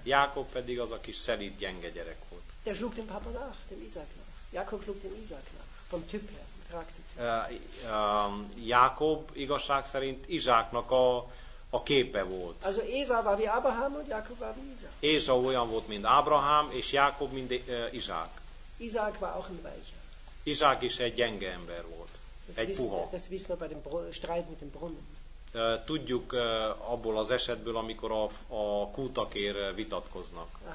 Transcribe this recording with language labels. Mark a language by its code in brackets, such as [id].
[hu] Jakob pedig az a kis szelíd, gyenge gyerek volt. [de] Der schlug dem Papa nach, dem Isaac nach. Jakob schlug dem Isaac nach. Vom Typ her. [hu] Jákob igazság szerint Izsáknak a képe volt. [de] Also Esau war wie Abraham und Jakob war wie Isaac. [hu] Esau olyan volt, mint Abraham, és Jákob, mint Izsák. [de] Isaac war auch ein Weicher. [hu] Izsák is egy gyenge ember volt. Puha. [de] Das wissen wir bei dem Streit mit dem Brunnen. [hu] Tudjuk abból az esetből, amikor a kútakér vitatkoznak.